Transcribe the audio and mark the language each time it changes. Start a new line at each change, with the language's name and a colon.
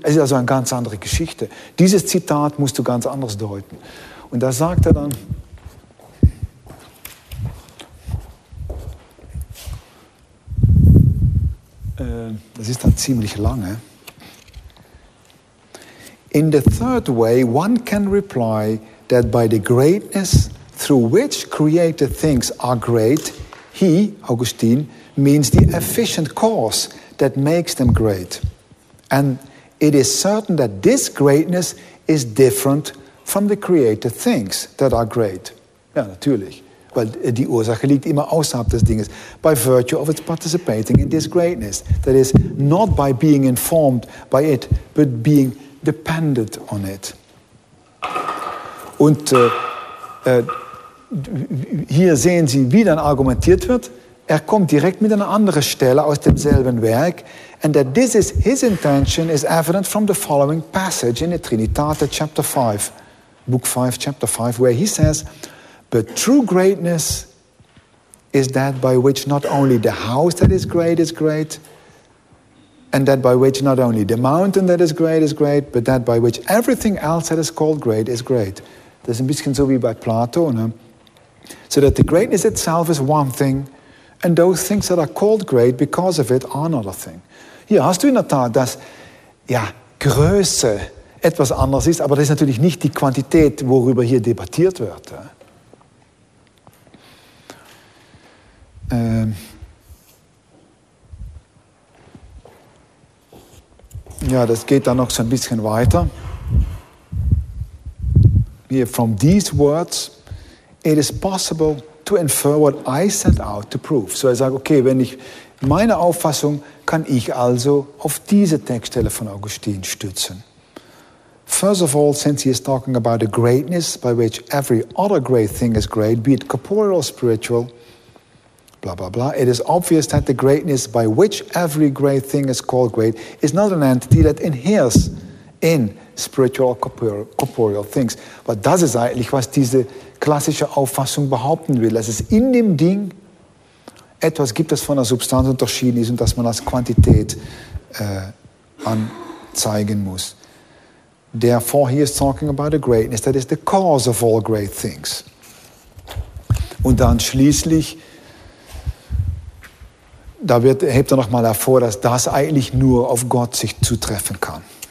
German: Es ist also eine ganz andere Geschichte. Dieses Zitat musst du ganz anders deuten. Und da sagt er dann, das ist dann ziemlich lange.
English: In the third way, one can reply that by the greatness through which created things are great, he, Augustine, means the efficient cause that makes them great. And it is certain that this greatness is different from the created things that are great.
German: Ja, natürlich. Weil die Ursache liegt immer außerhalb des Dinges.
English: By virtue of its participating in this greatness. That is, not by being informed by it, but being dependent on it.
German: Und hier sehen Sie, wie dann argumentiert wird. Er kommt direkt mit einer anderen Stelle aus demselben Werk.
English: And that this is his intention is evident from the following passage in the Trinitate, chapter 5, book 5, chapter 5, where he says, but true greatness is that by which not only the house that is great, and that by which not only the mountain that is great, but that by which everything else that is called great is great.
German: Das ist ein bisschen so wie bei Plato, ne?
English: So that the greatness itself is one thing, and those things that are called great because of it are another thing.
German: Hier hast du in der Tat, dass ja, Größe etwas anderes ist, aber das ist natürlich nicht die Quantität, worüber hier debattiert wird. Ja? Ja, das geht dann noch so ein bisschen weiter.
English: Here, from these words, it is possible to infer what I set out to prove.
German: So, ich sage, okay, wenn ich meine Auffassung, kann ich also auf diese Textstelle von Augustin stützen.
English: First of all, since he is talking about a greatness by which every other great thing is great, be it corporeal or spiritual, blah, blah, blah. It is obvious that the greatness by which every great thing is called great is not an entity that inheres in spiritual or corporeal things.
German: But das ist eigentlich, was diese klassische Auffassung behaupten will, dass es in dem Ding etwas gibt, das von der Substanz unterschieden ist und dass man als Quantität an zeigen muss.
English: Therefore, he is talking about a greatness that is the cause of all great things.
German: Und dann schließlich, da wird, hebt er nochmal hervor, dass das eigentlich nur auf Gott sich zutreffen kann.